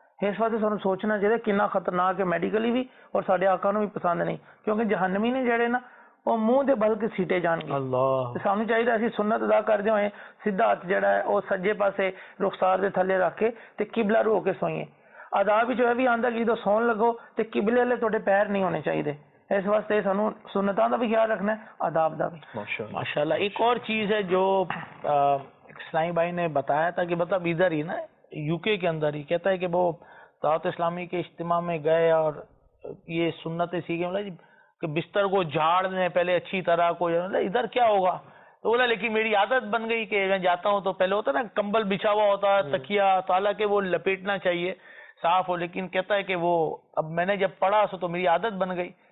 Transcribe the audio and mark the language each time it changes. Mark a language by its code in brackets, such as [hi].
[pa] اس واسطے سانو سوچنا چاہیے کنا خطرناک ہے میڈیکلی بھی, اور ساڈے آقا نو بھی پسند نہیں, کیونکہ جہنمی نے جڑے نا وہ منہ دے بل کے سیٹے جان گے. [ar] اللہ, [pa] سانو چاہیے اسی سنت ادا کردے ہوئے سیدھا ہاتھ جڑا ہے وہ سجے پاسے رخسار دے تھلے رکھ کے تے قبلہ رو کے سوئیں. آداب وچ ہے بھی آندا کہ جدوں سون لگو تے قبلے والے تہاڈے پیر نہیں ہونے چاہیدے. اس واسطے سانو سنتاں دا بھی خیال رکھنا ہے, آداب دا بھی. [ar] ماشاءاللہ. [ur] ایک اور چیز ہے جو اسلامی بھائی نے بتایا تھا کہ بتا ادھر ہی نا یو کے کے اندر ہی کہتا ہے کہ وہ دعوت اسلامی کے اجتماع میں گئے اور یہ سنتیں سیکھے, بولا جی کہ بستر کو جھاڑ دیں پہلے اچھی طرح کو, ادھر کیا ہوگا؟ تو بولا لیکن میری عادت بن گئی کہ میں جاتا ہوں تو پہلے ہوتا نا کمبل بچھا ہوا ہوتا ہے, تکیا تو حالانکہ وہ لپیٹنا چاہیے صاف ہو, لیکن کہتا ہے کہ وہ اب میں نے جب پڑھا سو تو میری عادت بن گئی.